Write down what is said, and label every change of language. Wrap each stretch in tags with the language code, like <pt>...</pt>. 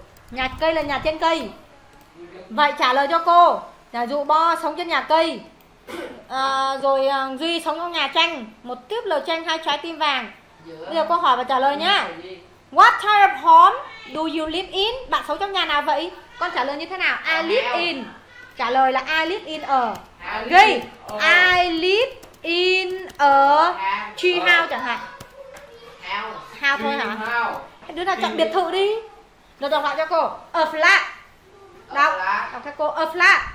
<vi>Nhà cây là nhà trên cây. Vậy trả lời cho cô. Giả dụ Bo sống trên nhà cây à, rồi Duy sống trong nhà tranh, một túp lều tranh hai trái tim vàng. Bây giờ cô hỏi và trả lời nhá.</vi> <en>What type of home do you live in?</en> <vi>Bạn sống trong nhà nào vậy? Con trả lời như thế nào?</vi> <en>I live in.</en> <vi>Trả lời là</vi> <en>I live in a. Ghi I live in a tree house chẳng hạn. House</en> <vi>thôi hả? Đứa nào chọn biệt thự đi. Rồi đọc lại cho cô.</vi> <en>A flat.</en> <vi>Đọc. Đọc cho cô. A flat.</vi>